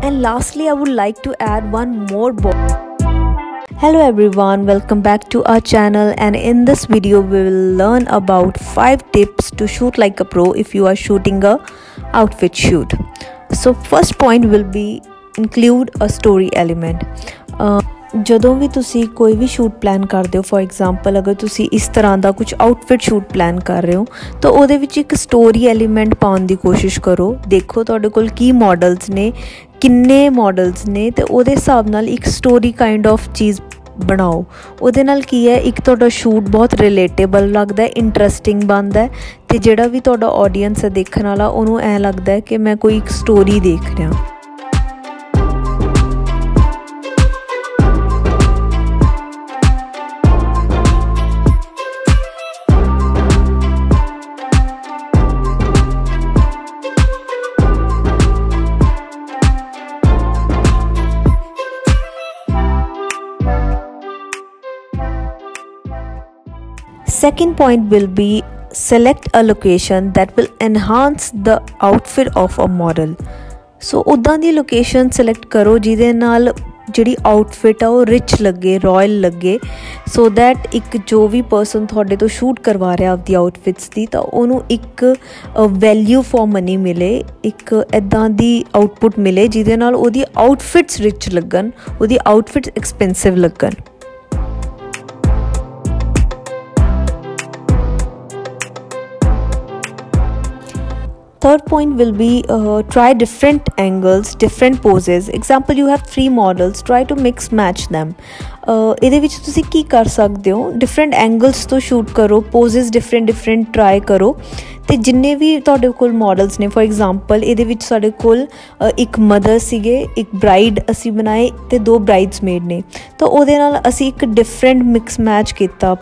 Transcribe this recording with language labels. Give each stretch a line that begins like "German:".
English: And lastly, I would like to add one more box. Hello everyone, welcome back to our channel, and in this video we will learn about 5 tips to shoot like a pro if you are shooting a outfit shoot. So first point will be include a story element.
Punjabi: ਜਦੋਂ ਵੀ ਤੁਸੀਂ ਕੋਈ ਵੀ shoot plan ਕਰਦੇ ਹੋ, for example ਅਗਰ ਤੁਸੀਂ ਇਸ ਤਰ੍ਹਾਂ ਦਾ ਕੁਝ ਆਊਟਫਿਟ ਸ਼ੂਟ ਪਲਾਨ ਕਰ ਰਹੇ ਹੋ, ਤਾਂ ਉਹਦੇ ਵਿੱਚ ਇੱਕ ਸਟੋਰੀ ਐਲੀਮੈਂਟ ਪਾਉਣ ਦੀ ਕੋਸ਼ਿਸ਼ ਕਰੋ। ਦੇਖੋ ਤੁਹਾਡੇ ਕੋਲ ਕੀ ਮਾਡਲਸ ਨੇ, ਕਿੰਨੇ ਮਾਡਲਸ ਨੇ, ਅਤੇ ਉਹਦੇ ਹਿਸਾਬ ਨਾਲ ਇੱਕ ਸਟੋਰੀ ਕਾਈਂਡ ਆਫ ਚੀਜ਼ ਬਣਾਓ। ਉਹਦੇ ਨਾਲ ਕੀ ਹੈ, ਇੱਕ ਤੁਹਾਡਾ ਸ਼ੂਟ ਬਹੁਤ ਰਿਲੇਟੇਬਲ ਲੱਗਦਾ, ਇੰਟਰਸਟਿੰਗ ਬਣਦਾ, ਅਤੇ ਜਿਹੜਾ ਵੀ ਤੁਹਾਡਾ ਆਡੀਅੰਸ ਹੈ ਦੇਖਣ ਵਾਲਾ, ਉਹਨੂੰ ਐਂ ਲੱਗਦਾ ਕਿ ਮੈਂ ਕੋਈ ਇੱਕ ਸਟੋਰੀ ਦੇਖ ਰਿਹਾ।
English: Second point will be select a location that will enhance the outfit of a model.
Punjabi: So ਉਦਾਂ ਦੀ location select ਕਰੋ ਜਿਹਦੇ ਨਾਲ ਜਿਹੜੀ outfit ਆ ਉਹ rich ਲੱਗੇ, royal ਲੱਗੇ, so that ਇੱਕ ਜੋ ਵੀ person ਤੁਹਾਡੇ ਤੋਂ shoot ਕਰਵਾ ਰਿਹਾ ਆਪਦੀ outfits ਦੀ, ਤਾਂ ਉਹਨੂੰ ਇੱਕ
English: value for money
Punjabi: ਮਿਲੇ, ਇੱਕ ਇੱਦਾਂ ਦੀ output ਮਿਲੇ ਜਿਹਦੇ ਨਾਲ ਉਹਦੀ outfits rich ਲੱਗਣ, ਉਹਦੀ outfits expensive ਲੱਗਣ।
English: Third point will be try different angles, different poses. Example, you have 3 models, try to mix match them.
Punjabi: ਇਹਦੇ ਵਿੱਚ ਤੁਸੀਂ ਕੀ ਕਰ ਸਕਦੇ ਹੋ, ਡਿਫਰੈਂਟ ਐਂਗਲਸ ਤੋਂ ਸ਼ੂਟ ਕਰੋ, ਪੋਜ਼ਿਸ ਡਿਫਰੈਂਟ ਡਿਫਰੈਂਟ ਟਰਾਈ ਕਰੋ, ਅਤੇ ਜਿੰਨੇ ਵੀ ਤੁਹਾਡੇ ਕੋਲ ਮਾਡਲਸ ਨੇ, ਫੋਰ ਐਗਜ਼ਾਮਪਲ ਇਹਦੇ ਵਿੱਚ ਸਾਡੇ ਕੋਲ ਇੱਕ ਮਦਰ ਸੀਗੇ, ਇੱਕ ਬ੍ਰਾਈਡ ਅਸੀਂ ਬਣਾਏ ਅਤੇ 2 ਬ੍ਰਾਈਡਸ ਮੇਡ ਨੇ, ਤਾਂ ਉਹਦੇ ਨਾਲ ਅਸੀਂ ਇੱਕ ਡਿਫਰੈਂਟ ਮਿਕਸ ਮੈਚ ਕੀਤਾ।